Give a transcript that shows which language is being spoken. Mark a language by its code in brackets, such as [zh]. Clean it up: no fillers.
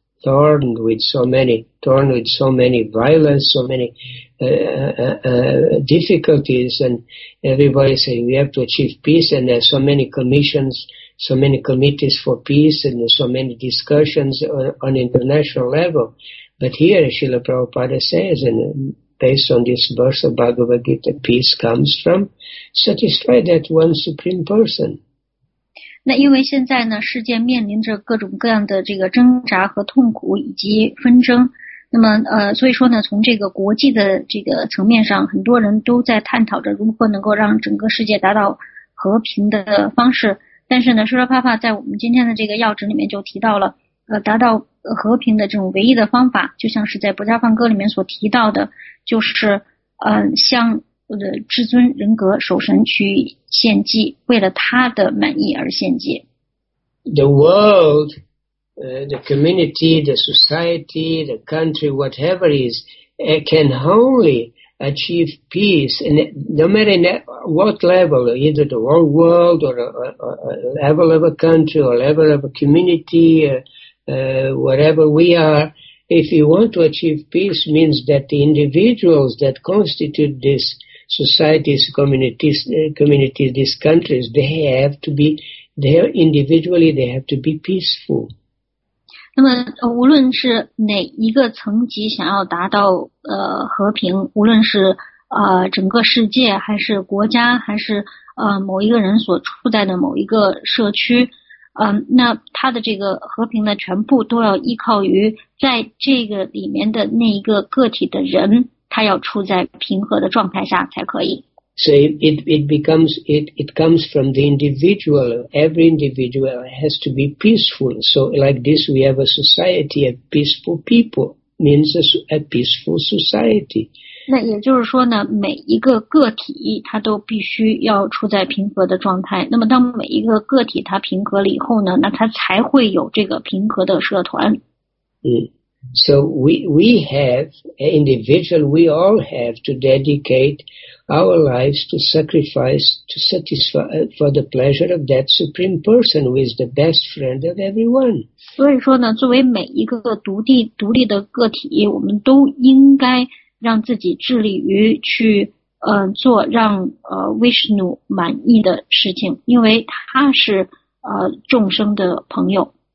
[en] thorned with so many violence, so many difficulties, and everybody saying we have to achieve peace, and there's so many commissions, so many committees for peace, and so many discussions on international level. But here, Srila Prabhupada says, and based on this verse of Bhagavad Gita, peace comes from? Satisfy that one Supreme Person. [zh] 那因为现在呢，世界面临着各种各样的这个挣扎和痛苦以及纷争。那么所以说呢，从这个国际的这个层面上，很多人都在探讨着如何能够让整个世界达到和平的方式。但是呢，舒拉帕帕在我们今天的这个要旨里面就提到了，达到和平的这种唯一的方法，就像是在《薄伽梵歌》里面所提到的，就是向至尊人格守神去献祭，为了他的满意而献祭。 [en] The world. The community, the society, the country, whatever is, can only achieve peace. And no matter what level, either the whole world or a level of a country or level of a community, whatever we are, if you want to achieve peace, means that the individuals that constitute this society, this community, these countries, they have to be peaceful. [zh] 那么无论是哪一个层级想要达到和平，无论是整个世界还是国家还是某一个人所处在的某一个社区，那他的这个和平呢，全部都要依靠于在这个里面的那一个个体的人，他要处在平和的状态下才可以。 [en] So it comes from the individual. Every individual has to be peaceful. So like this, we have a society of peaceful people. Means a peaceful society. [zh] 那也就是说呢，每一个个体他都必须要处在平和的状态。那么当每一个个体他平和了以后呢，那他才会有这个平和的社团。 [en] So we have an individual, we all have to dedicate our lives to sacrifice, to satisfy for the pleasure of that Supreme Person who is the best friend of everyone. [zh] 所以说呢，作为每一个独立的个体，我们都应该让自己致力于去做让Vishnu满意的事情，因为他是众生的朋友。